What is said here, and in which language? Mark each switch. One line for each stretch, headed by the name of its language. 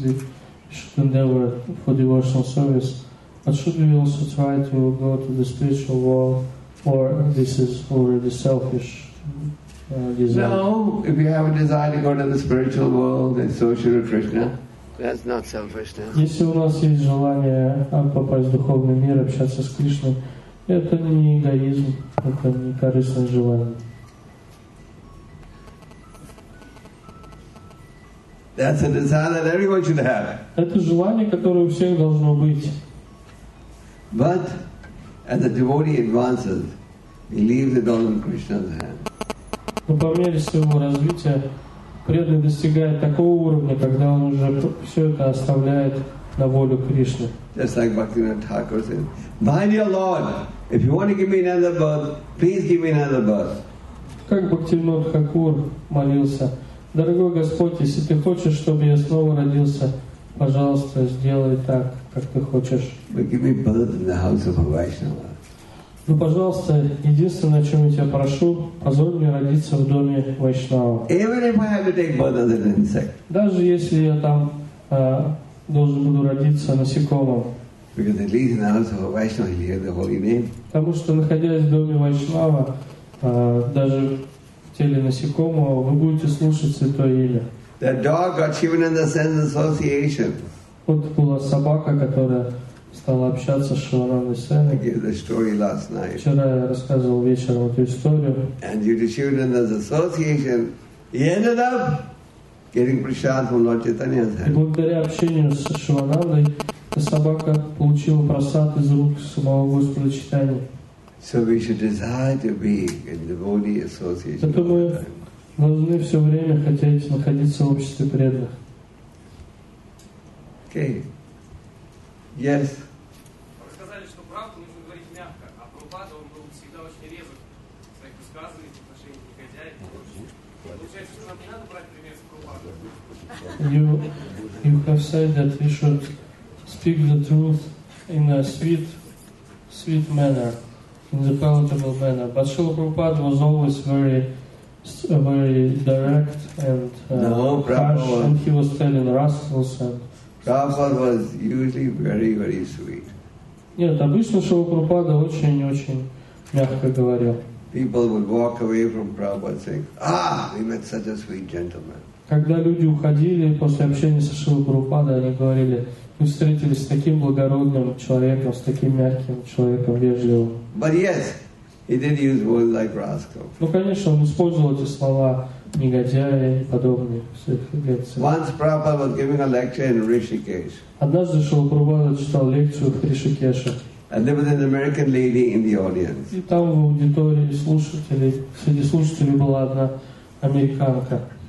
English: We should endeavor for devotional service. But should we also try to go to the spiritual world, or this is already selfish desire? No, if you have a desire to go to the spiritual world, then so should Krishna. That's not selfish.
Russian: Если у нас есть желание попасть в духовный мир, общаться с Кришной, это не эгоизм, это не корыстное желание.
English: That's a desire that everyone should have.
Russian: Это желание, которое у всех должно быть.
English: But as the devotee advances, he leaves it all in Krishna's hand.
Russian: Но по мере своего развития преданный достигает такого уровня, когда он уже все это оставляет на волю Кришны.
English: Just like Bhaktivinoda Thakur said, "My dear Lord, if you want to give me another birth, please give me another birth."
Russian: Как Бхактивинода Хакур молился: "Дорогой Господь, если ты хочешь, чтобы я снова родился, пожалуйста, сделай так, как ты хочешь."
English: But give me birth in the house of a Vaishnava.
Russian: Ну, пожалуйста, единственное, о чем я тебя прошу, позволь мне родиться в доме Вайшнава.
English: Even if I have to take birth as an insect.
Russian: Даже если я там должен буду родиться насекомым.
English: Because at least in the house of a Vaishnava, you hear the holy name.
Russian: Потому что, находясь в доме Вайшнава, даже в теле насекомого, вы будете слушать святое имя.
English: The dog got Shivananda Sen's association.
Russian: Вот была собака, которая стала общаться с Шивананда Сен. Вчера я рассказывал вечером эту историю.
English: And due to Shivananda's association, he ended up getting prasad from Lord Chaitanya's hand.
Russian: И благодаря общению с Шиванандой собака получила прасад из рук самого Господа Чайтаньи.
English: So we should desire to be in devotee association.
Russian: Поэтому мы должны все время хотеть находиться в обществе преданных.
English: Okay. Yes. You have said that we should speak the truth in a sweet manner, in the palatable manner. But Srila Prabhupada was always very, very direct and harsh, and he was telling rascals. And Prabhupada was usually very, very sweet.
Russian: Нет, обычно Шрила Прабхупада очень-очень мягко говорил.
English: People would walk away from Prabhupada saying, "Ah, we met such a sweet gentleman."
Russian: Когда люди уходили после общения со Шрилой Прабхупадой, они говорили: мы встретились с таким благородным человеком, с таким мягким человеком, вежливым.
English: But yes, he did use words like rascal.
Russian: Ну, конечно, он использовал эти слова негодяи и подобные.
English: Once Prabhupada was giving a lecture in Rishikesh.
Russian: Однажды Шрила Прабхупада читал лекцию в Ришикеше.
English: And there was an American lady in the audience.
Russian: И там в аудитории среди слушателей была одна американка.